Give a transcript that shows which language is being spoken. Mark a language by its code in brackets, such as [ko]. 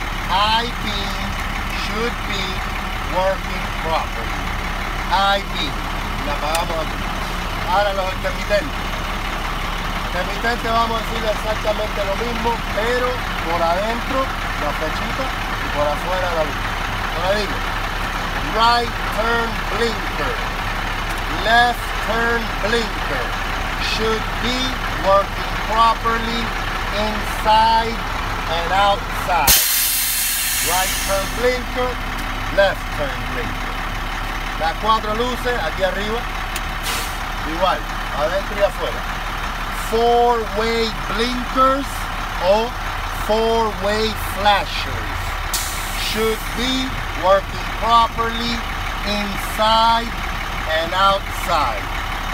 [en] High beam should be working properly. High beam. [es] La apagamos aquí. Ahora los intermitentes. Intermitentes vamos a decir exactamente lo mismo, pero por adentro, la flechita, y por afuera la luz. Ahora digo, [en] right turn blinker. Left turn blinker should be working properly inside and outside. Right turn blinker, left turn blinker. [es] Las cuatro luces aquí arriba, igual, adentro y afuera. [en] Four-way blinkers or four-way flashers should be working properly inside and outside.